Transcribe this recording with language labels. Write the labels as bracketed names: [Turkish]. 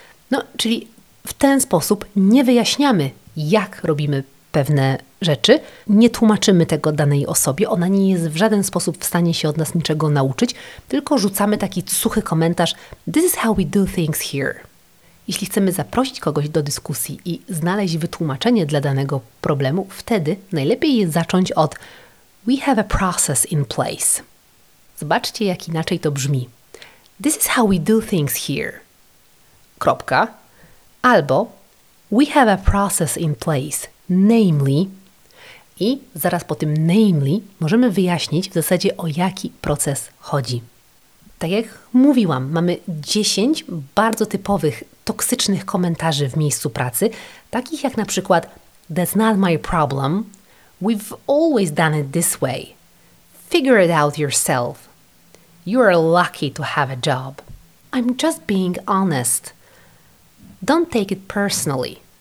[Polish] No, czyli w ten sposób nie wyjaśniamy, jak robimy pewne rzeczy, nie tłumaczymy tego danej osobie, ona nie jest w żaden sposób w stanie się od nas niczego nauczyć, tylko rzucamy taki suchy komentarz, [English] this is how we do things here. [Polish] Jeśli chcemy zaprosić kogoś do dyskusji i znaleźć wytłumaczenie dla danego problemu, wtedy najlepiej jest zacząć od [English] we have a process in place. [Polish] Zobaczcie, jak inaczej to brzmi. [English] This is how we do things here. [Polish] Kropka. Albo [English] we have a process in place, namely. [Polish] I zaraz po tym namely możemy wyjaśnić w zasadzie, o jaki proces chodzi. Tak jak mówiłam, mamy 10 bardzo typowych, toksycznych komentarzy w miejscu pracy, takich jak na przykład [English] that's not my problem, we've always done it this way, figure it out yourself, you are lucky to have a job, I'm just being honest, don't take it personally.